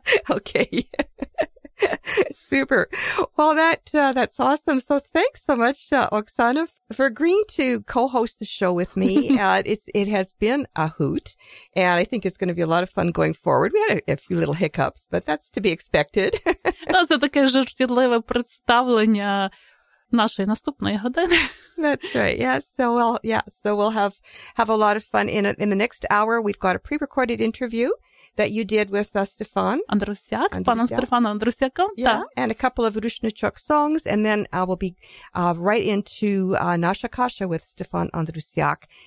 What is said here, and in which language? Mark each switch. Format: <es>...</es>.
<en>Okay. Super. Well, that's awesome. So thanks so much, Oksana, for agreeing to co-host the show with me. It has been a hoot, and I think it's going to be a lot of fun going forward. We had a few little hiccups, but that's to be expected.</en> <uk>Це таке жартівливе представлення нашої наступної години.</uk> <en>That's right. So we'll have a lot of fun in the next hour. We've got a pre-recorded interview that you did with Stefan</en> <uk>Andrusiak, паном Стефаном Андрусяком.</uk> <en>Yeah, and a couple of Rushnichok songs, and then I will be right into Nasha Kasha with Stefan Andrusiak.</en>